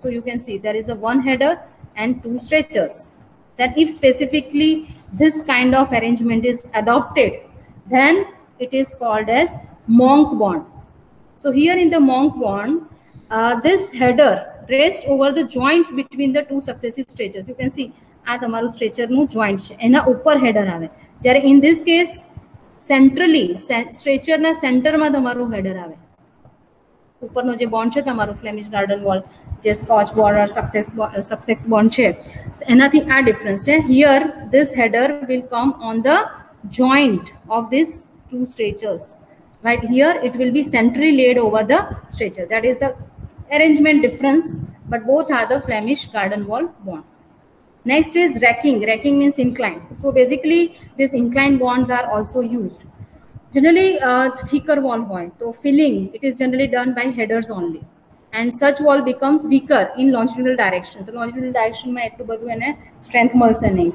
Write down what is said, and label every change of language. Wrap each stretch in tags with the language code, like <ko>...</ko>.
<en>So you can see there is a one header and two stretchers. That if specifically this kind of arrangement is adopted, then it is called as monk bond. So here in the monk bond, this header rests over the joints between the two successive stretchers. You can see</en> <gu>આ તમારું stretcher નું joint છે, એના ઉપર header આવે. જ્યારે</gu> <en>in this case</en> <gu>centrally stretcher ના centre માં તમારું હેડર આવે. ઉપરનો જે બોન્ડ છે તમારો ફ્લેમિશ ગાર્ડન વોલ, જે scotch bond or success bond છે, એનાથી આ ડિફરન્સ છે.</gu> <en>Here this header will come on the joint of this two stretchers, right? Here it will be centrally laid over the stretcher. That is the arrangement difference, but both are the Flemish garden wall bond. Next is racking. Racking means incline. So basically this incline bonds are also used. Generally thicker wall</en> <gu>hoy to</gu> <en>filling it is generally done by headers only, and such wall becomes weaker in longitudinal direction. The longitudinal direction</en> <gu>mein etlu badhu ene strength malse nahi.</gu>